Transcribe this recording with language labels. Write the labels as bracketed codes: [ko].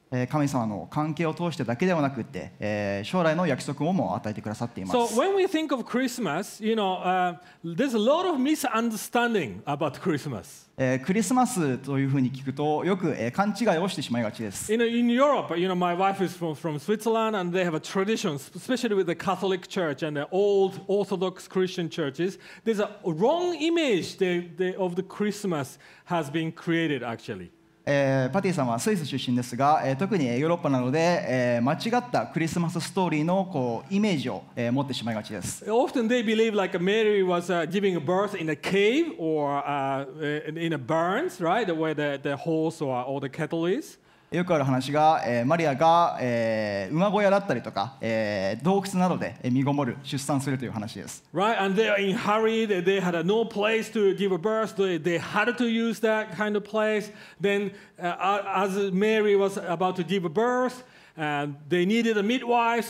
[ja] 神様の関係を通してだけではなくて、将来の約束をも与えてくださっています。 [en] So when we think of Christmas, you know, there's a lot of misunderstanding about Christmas. [ja] クリスマスというふうに聞くとよく、勘違いをしてしまいがちです。 [en] You know, in Europe, you know, my wife is from Switzerland, and they have a tradition, especially with the Catholic Church and the old Orthodox Christian churches. There's a wrong image of the Christmas has been created actually. [ja] パティさんはスイス出身ですが、特にヨーロッパなどで、間違ったクリスマスストーリーのこうイメージを、持ってしまいがちです。 [en] Often they believe like Mary was giving birth in a cave or in a barns, right? Where the horse or all the cattle is. [ja] よくある話が、マリアが、馬小屋だったりとか、洞窟などで身ごもる出産するという話です。 [en] Right, and they are in hurry. They had no place to give a birth. They had to use that kind of place. Then, as Mary was about to give a birth, they needed a midwife.